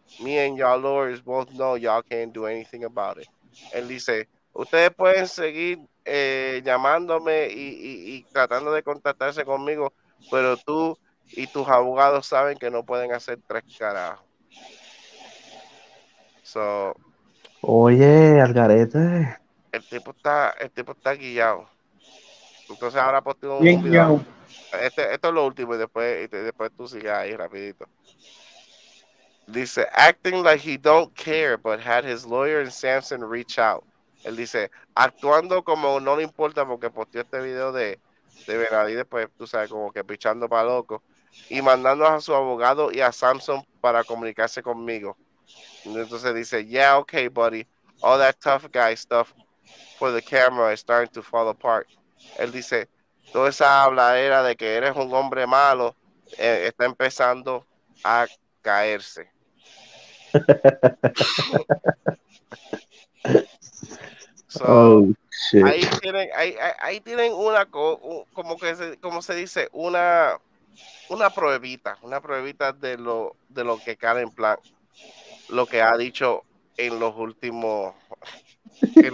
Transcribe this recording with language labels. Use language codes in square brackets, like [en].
[en] Me and y'all lawyers both know y'all can't do anything about it. [es] Él dice, ustedes pueden seguir llamándome y tratando de contactarse conmigo, pero tú y tus abogados saben que no pueden hacer tres carajos. [en] So, [es] Oye, al garete. el tipo está guiado. Entonces ahora posteo un Bien, video. yo. Esto es lo último y después tú sigas ahí rapidito. Dice, [en] acting like he don't care, but had his lawyer and Samson reach out. [es] Él dice, actuando como no le importa porque posteó este video de Benavides, después tú sabes, como que pichando para loco. Y mandando a su abogado y a Samson para comunicarse conmigo. Entonces dice, [en] yeah, okay, buddy. All that tough guy stuff for the camera is starting to fall apart. [es] Él dice, toda esa habladera de que eres un hombre malo, está empezando a caerse. [en] So, Oh, [es] ahí tienen una, como se dice, una pruebita de lo que Karen Plan lo que ha dicho en los últimos días.